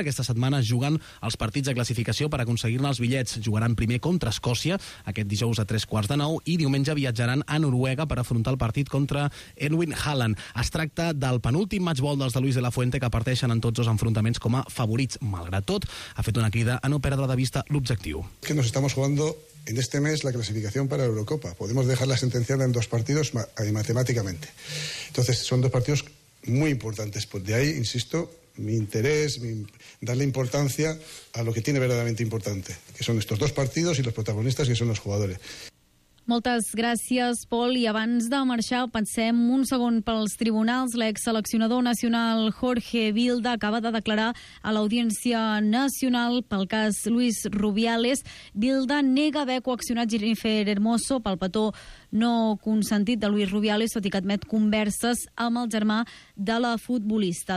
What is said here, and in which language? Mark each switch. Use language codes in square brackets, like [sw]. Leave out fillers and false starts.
[ca] Aquesta setmana es juguen els partits de classificació per aconseguir-ne els bitllets. Jugaran primer contra Escòcia aquest dijous a 8:45 i diumenge viatjaran a Noruega per afrontar el partit contra Erwin Haaland. Es tracta del penúltim matchball dels de Luis de la Fuente, que parteixen en tots els enfrontaments com a favorits. Malgrat tot, ha fet una crida a no perdre de vista l'objectiu. [es] Que nos estamos jugando en este mes la clasificación para la Eurocopa. Podemos dejarla sentenciada en dos partidos matemáticamente. Entonces, son dos partidos muy importantes. Pues de ahí, insisto, mi interés, darle importancia a lo que tiene verdaderamente importante, que son estos dos partidos y los protagonistas, que son los jugadores. [ca] Moltes gràcies, Pol. I abans de marxar, pensem un segon pels tribunals. L'exseleccionador nacional Jorge Vilda acaba de declarar a l'Audiència Nacional pel cas Luis Rubiales. Vilda nega haver coaccionat Jennifer Hermoso pel petó no consentit de Luis Rubiales, tot i que admet converses amb el germà de la futbolista.